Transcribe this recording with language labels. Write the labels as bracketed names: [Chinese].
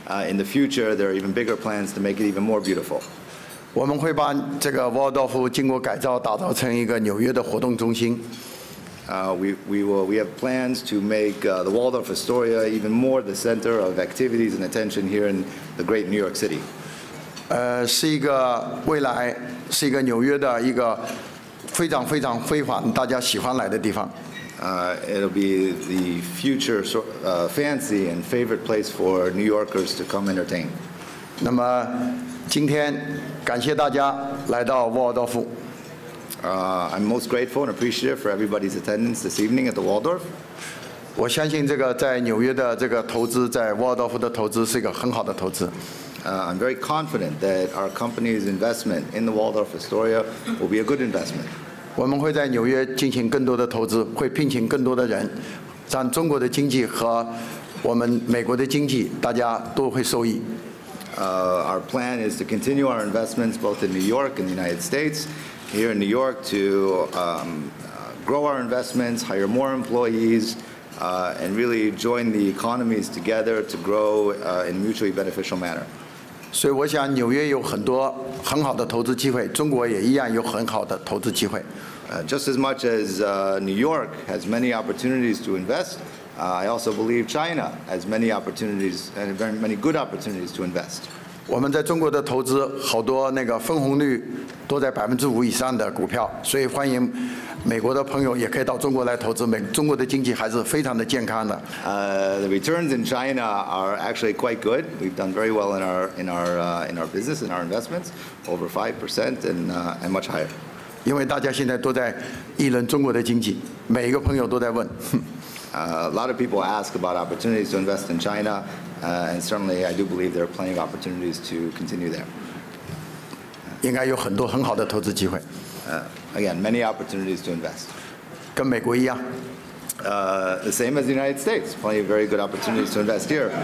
[English] In the future, there are even bigger plans to make it even more beautiful. [Chinese] 我们会把这个 Waldorf 经过改造打造成一个纽约的活动中心。 [English] We have plans to make the Waldorf Astoria even more the center of activities and attention here in the great New York City. [Chinese] 是一个未来，是一个纽约的一个非常非常辉煌，大家喜欢来的地方。 [English] It'll be the future fancy and favorite place for New Yorkers to come entertain. [Chinese] 那么。今天感谢大家来到沃尔多夫。 [English] I'm most grateful and appreciative for everybody's attendance this evening at the Waldorf. [Chinese] 我相信这个在纽约的这个投资，在沃尔多夫的投资是一个很好的投资。 [English] I'm very confident that our company's investment in the Waldorf Astoria will be a good investment. [Chinese] 我们会在纽约进行更多的投资，会聘请更多的人，让中国的经济和我们美国的经济大家都会受益。 [English] Our plan is to continue our investments both in New York and the United States. Here in New York, to grow our investments, hire more employees, and really join the economies together to grow in a mutually beneficial manner. [Chinese] 所以我想纽约有很多很好的投资机会，中国也一样有很好的投资机会。 [English] Just as much as New York has many opportunities to invest, I also believe China has many opportunities and very many good opportunities to invest. [Chinese] 我们在中国的投资好多那个分红率都在5%以上的股票，所以欢迎美国的朋友也可以到中国来投资。中国的经济还是非常的健康的。 [English] The returns in China are actually quite good. We've done very well in our business, in our investments, over 5% and much higher. [Chinese] 因为大家现在都在议论中国的经济，每一个朋友都在问。 [English] A lot of people ask about opportunities to invest in China, and certainly I do believe there are plenty of opportunities to continue there. [Chinese] 应该有很多很好的投资机会。 [English] Again, many opportunities to invest. [Chinese] 跟美国一样。 [English] The same as the United States, plenty of very good opportunities to invest here.